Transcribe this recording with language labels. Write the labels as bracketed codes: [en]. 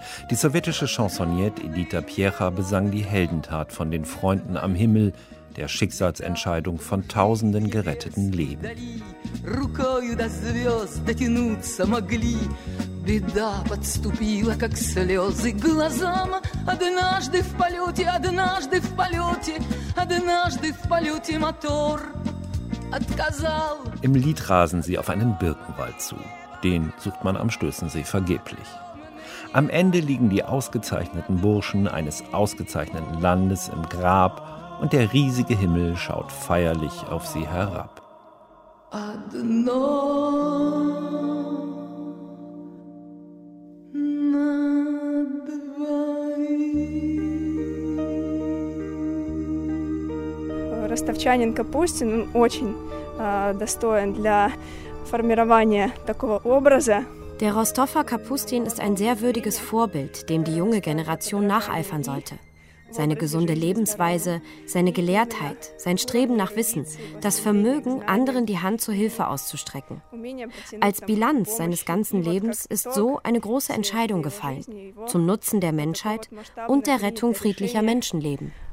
[de] Die sowjetische Chansonniere Edita Piecha besang die Heldentat von den Freunden am Himmel, der Schicksalsentscheidung von tausenden geretteten Leben. [ru] Рукою до звезд дотянуться могли, беда подступила, как слезы к глазам. Однажды в полете мотор отказал. [de] Im Lied rasen sie auf einen Birkenwald zu. Den sucht man am Stößensee vergeblich. Am Ende liegen die ausgezeichneten Burschen eines ausgezeichneten Landes im Grab und der riesige Himmel schaut feierlich auf sie herab. [ru] Одно на двоих. Ростовчанин Капустин, он очень достоин для формирования такого образа. [de] Der Rostoffer Kapustin ist ein sehr würdiges Vorbild, dem die junge Generation nacheifern sollte. Seine gesunde Lebensweise, seine Gelehrtheit, sein Streben nach Wissen, das Vermögen, anderen die Hand zur Hilfe auszustrecken. Als Bilanz seines ganzen Lebens ist so eine große Entscheidung gefallen, zum Nutzen der Menschheit und der Rettung friedlicher Menschenleben.